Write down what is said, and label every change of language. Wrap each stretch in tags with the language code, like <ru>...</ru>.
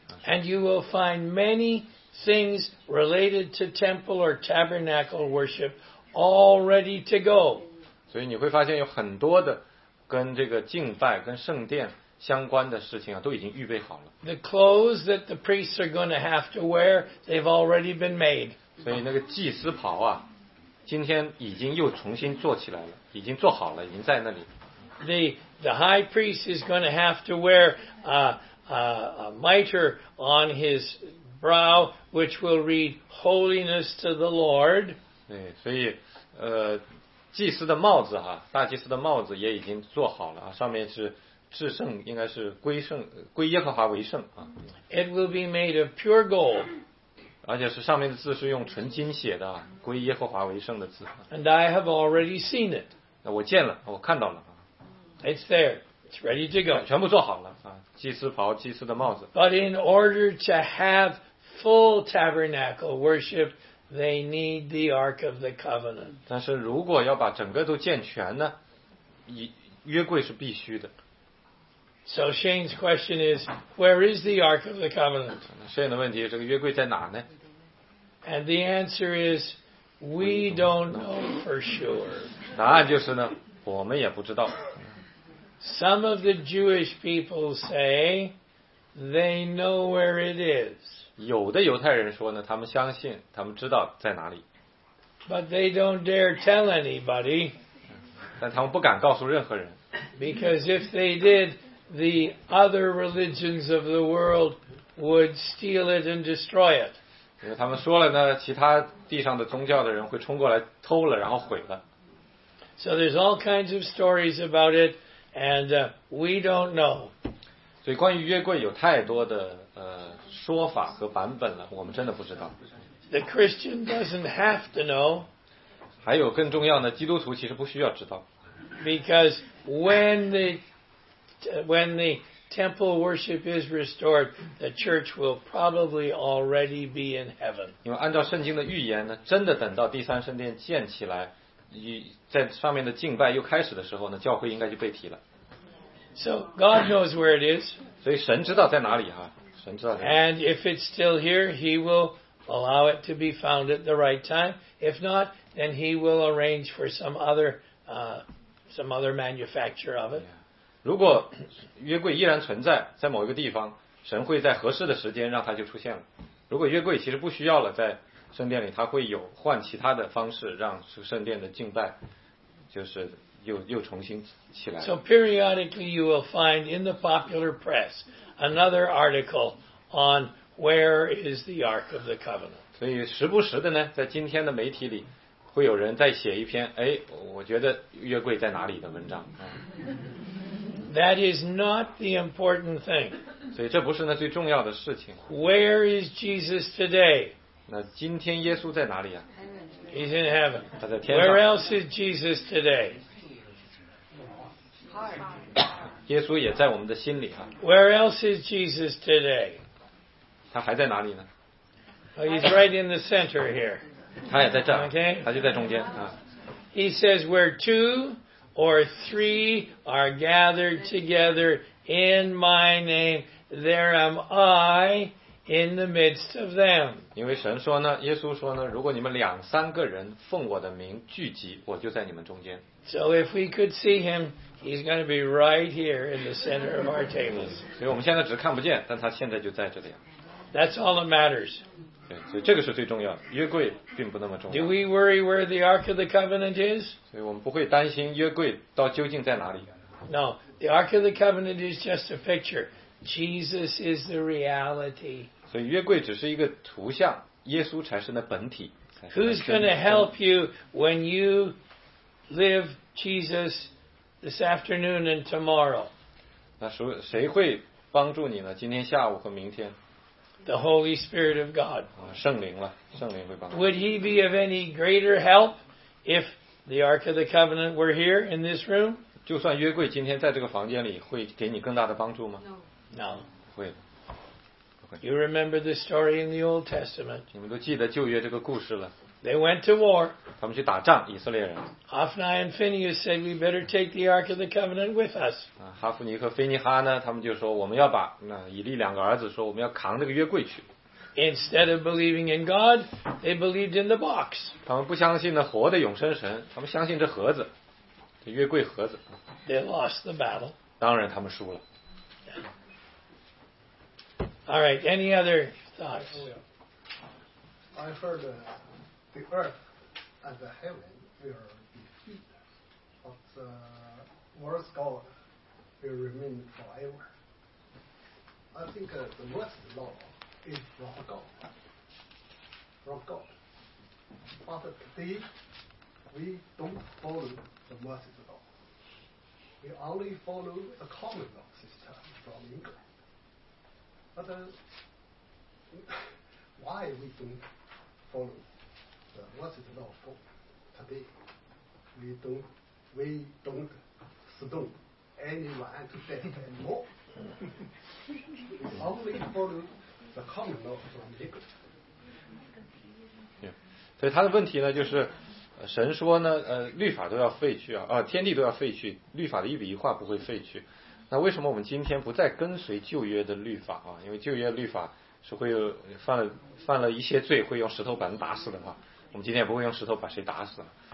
<en>And you will find many things related to temple or tabernacle worship all ready to go.</en> <zh>所以你会发现有很多的跟这个敬拜跟圣殿相关的事情啊，都已经预备好了。</zh> <en>The clothes that the priests are going to have to wear, they've already been made.</en> <zh>所以那个祭司袍啊，今天已经又重新做起来了，已经做好了，已经在那里。</zh> <en>The high priest is going to have to wear a mitre on his brow, which will read "Holiness to the Lord."</en> <zh>对，所以祭司的帽子大祭司的帽子也已经做好了上面是至圣，应该是归圣，归耶和华为圣啊。</zh> <en>It will be made of pure gold.</en> <zh>而且是上面的字是用纯金写的，归耶和华为圣的字。</zh> <en>And I have already seen it.</en> <zh>我见了，我看到了。</zh> <en>It's there. It's ready to go.</en> <zh>全部做好了，祭司袍，祭司的帽子。</zh> <en>But in order to have full tabernacle worship, they need the Ark of the Covenant.</en> <zh>但是如果要把整个都建全呢，约柜是必须的。</zh> <en>So Shane's question is, where is the Ark of the Covenant?</en> <zh>Shane 的问题，这个约柜在哪呢？</zh> <en>And the answer is, we don't know for sure.</en> <zh>答案就是呢，我们也不知道。</zh> <en>Some of the Jewish people say they know where it is.</en> <zh>有的犹太人说呢，他们相信，他们知道在哪里。</zh> <en>But they don't dare tell anybody.</en> <zh>但他们不敢告诉任何人。</zh> <en>Because if they did,The other religions of the world would steal it and destroy it.</en> <zh>因为他们说了呢，其他地上的宗教的人会冲过来偷了，然后毁了。</zh> <en>So there's all kinds of stories about it, and we don't know.</en> <zh>所以关于约柜有太多的说法和版本了，我们真的不知道。</zh> <en>The Christian doesn't have to know.</en> <zh>还有更重要的，基督徒其实不需要知道。</zh> <en>Because when the temple worship is restored, the church will probably already be in heaven.</en> <zh>因为按照圣经的预言呢，真的等到第三圣殿建起来，在上面的敬拜又开始的时候呢，教会应该就被提了。</zh> <en>So God knows where it is.</en> <zh>所以神知道在哪里神知道。</zh> <en>And if it's still here, He will allow it to be found at the right time. If not, then He will arrange for some other manufacture of it.</en> <zh>如果约柜依然存在在某一个地方，神会在合适的时间让它就出现了。如果约柜其实不需要了，在圣殿里，他会有换其他的方式让圣殿的敬拜就是又重新起来。</zh> <en>So periodically you will find in the popular press another article on where is the Ark of the Covenant.</en> <zh>所以时不时的呢，在今天的媒体里，会有人再写一篇，哎，我觉得约柜在哪里的文章。</zh> <en>That is not the important thing.</en> <zh>所以这不是那最重要的事情。</zh> <en>Where is Jesus today?</en> <zh>那今天耶稣在哪里啊？</zh> <en>He's in heaven.</en> <zh>他在天上。</zh> <en>Where else is Jesus today?</en> <zh>耶稣也在我们的心里啊。</zh> <en>Where else is Jesus today?</en> <zh>他还在哪里呢？</zh> <en>Well, he's right in the center here.</en> <zh>他也在这儿。</zh> <en>Okay.</en> <zh>他就在中间啊。</zh> <en>He says, "Where two or three are gathered together in my name, there am I." In the midst of them.</en> <zh>因为神说呢，耶稣说呢，如果你们两三个人奉我的名聚集，我就在你们中间。</zh> <en>So if we could see him, he's going to be right here in the center of our tables.</en> <zh>所以我们现在只看不见，但他现在就在这里。</zh> <en>That's all that matters.</en> <zh>对，所以这个是最重要的，约柜并不那么重要。</zh> <en>Do we worry where the Ark of the Covenant is?</en> <zh>所以我们不会担心约柜到究竟在哪里。</zh> <en>No, the Ark of the Covenant is just a picture. Jesus is the reality.</en> <zh>所以约柜只是一个图像，耶稣才是那本体。</zh> <en>Who's going to help you when you live Jesus this afternoon and tomorrow?</en> <zh>那谁会帮助你呢？今天下午和明天。</zh> <en>The Holy Spirit of God.</en> <zh>圣灵了，圣灵会帮助。</zh> <en>Would he be of any greater help if the Ark of the Covenant were here in this room?</en> <zh>就算约柜今天在这个房间里，会给你更大的帮助吗？</zh> <en>No. No. You remember the story in the Old Testament.</en> <zh>你们都记得旧约这个故事了。</zh> <en>They went to war.</en> <zh>他们去打仗，以色列人。</zh> <en>Hophni and Phinehas said, "We better take the Ark of the Covenant with us."</en> <zh>哈弗尼和腓尼哈呢，他们就说，我们要把那以利两个儿子说，我们要扛这个约柜去。</zh> <en>Instead of believing in God, they believed in the box.</en> <zh>他们不相信那活的永生神，他们相信这盒子，这约柜盒子。</zh> <en>They lost the battle.</en> <zh>当然，他们输了。</zh> <en>All right, any other thoughts? I heard the earth and the heaven will be filled, but the world's God will remain forever. I think the most law is from God. From God. But today, we don't follow the most law. We only follow the common law system from England. But why we don't follow the what's the law for today? We don't stone anyone to death anymore. We only follow the common law from England. Yeah.</en> <zh>所以他的问题呢，就是神说呢，律法都要废去啊，天地都要废去，律法的一笔一画不会废去。那为什么我们今天不再跟随旧约的律法啊？因为旧约律法是会犯了一些罪，会用石头把人打死的话，我们今天不会用石头把谁打死了。</zh>